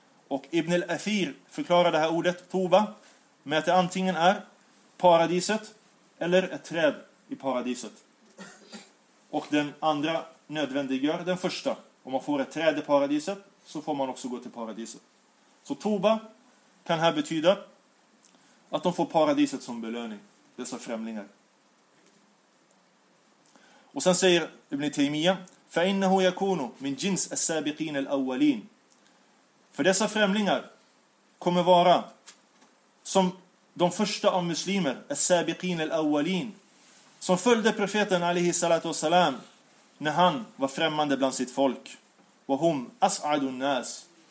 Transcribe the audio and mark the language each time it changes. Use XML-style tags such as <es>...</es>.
<sv>Och Ibn al-Athir förklarar det här ordet, toba, med att det antingen är paradiset eller ett träd i paradiset. Och den andra nödvändiggör den första. Om man får ett träd i paradiset så får man också gå till paradiset. Så toba kan här betyda att de får paradiset som belöning, dessa främlingar. Och sen säger Ibn Taymiyyah,</sv> <ar>فَإِنَّهُ يَكُونُ مِنْ جِنْسَ السَّابِقِينَ الْأَوَّلِينَ.</ar> <sv>För dessa främlingar kommer vara som de första av muslimer,</sv> <ar>السَّابِقِينَ الْأَوَّلِينَ,</ar> <sv>som följde profeten alaihi salatu wasalam när han var främmande bland sitt folk.</sv> <ar>وَهُمْ أَسْعَدُ النَّاسِ.</ar>